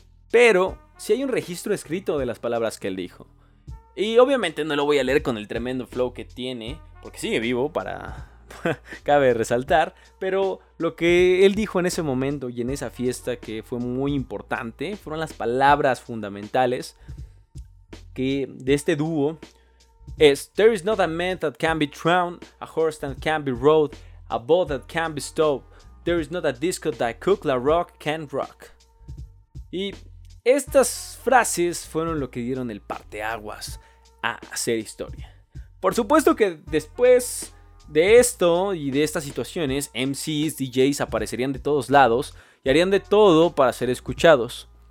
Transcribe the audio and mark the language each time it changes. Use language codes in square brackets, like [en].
[es] Pero sí hay un registro escrito de las palabras que él dijo. Y obviamente no lo voy a leer con el tremendo flow que tiene, porque sigue vivo, para cabe resaltar. Pero lo que él dijo en ese momento y en esa fiesta, que fue muy importante, fueron las palabras fundamentales que de este dúo. [en] Es: "There is not a man that can be drowned, a horse that can be rode, a boat that can be stowed. There is not a disco that Cook La Rock can rock." [es] Y estas frases fueron lo que dieron el parteaguas a hacer historia. Por supuesto que después de esto y de estas situaciones, MCs, DJs aparecerían de todos lados y harían de todo para ser escuchados.